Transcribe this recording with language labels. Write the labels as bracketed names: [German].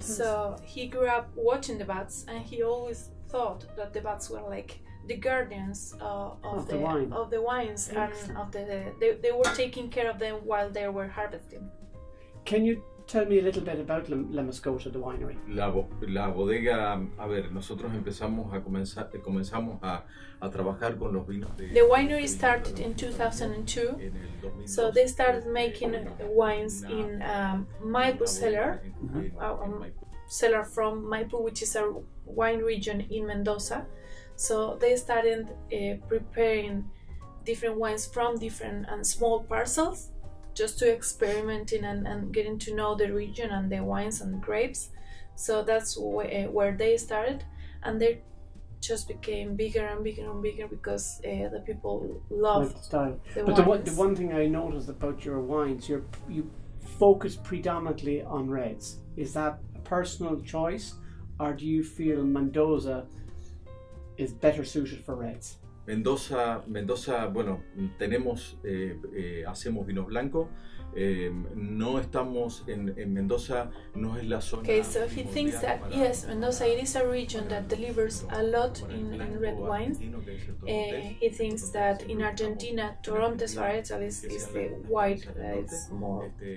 [English] So he grew up watching the bats, and he always thought that the bats were like the guardians of the wines. Excellent. And of they were taking care of them while they were harvesting. Can you tell me a little bit about La Mascota, the winery? [Spanish] La bodega, a ver, nosotros comenzamos a trabajar con los vinos de... [English] The winery started in 2002, so they started making wines in Maipú cellar, cellar from Maipú, which is a wine region in Mendoza. So they started preparing different wines from different and small parcels, just to experimenting and getting to know the region and the wines and grapes. So that's where they started. And they just became bigger and bigger and bigger because the people love the style. The one thing I noticed about your wines, you focus predominantly on reds. Is that a personal choice, or do you feel Mendoza is better suited for reds? [Spanish] Mendoza, bueno, tenemos, hacemos vino blanco. No estamos en Mendoza, no es la zona. [English] Okay, so he thinks that yes, Mendoza, it is a region that delivers a lot in red wines. He thinks that in Argentina, Torontes varietal is the white that is more.